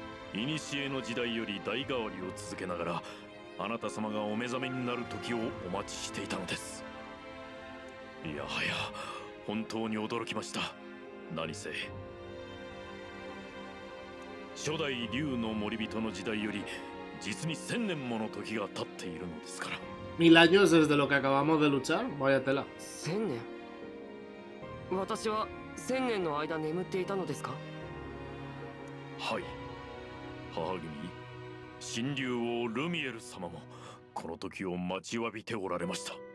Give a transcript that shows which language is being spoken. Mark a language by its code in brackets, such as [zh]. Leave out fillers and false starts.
[ja] 古の時代より代替わりを続けながらあなた様がお目覚めになる時をお待ちしていたのです。いやはや本当に驚きました。何せ初代竜の守り人の時代より実に千年もの時が経っているのですから。 [es] 1000 años desde lo que acabamos de luchar, vaya tela. [ja] 千年、私は千年の間眠っていたのですか。はい、母君、神竜王ルミエル様もこの時を待ちわびておられました。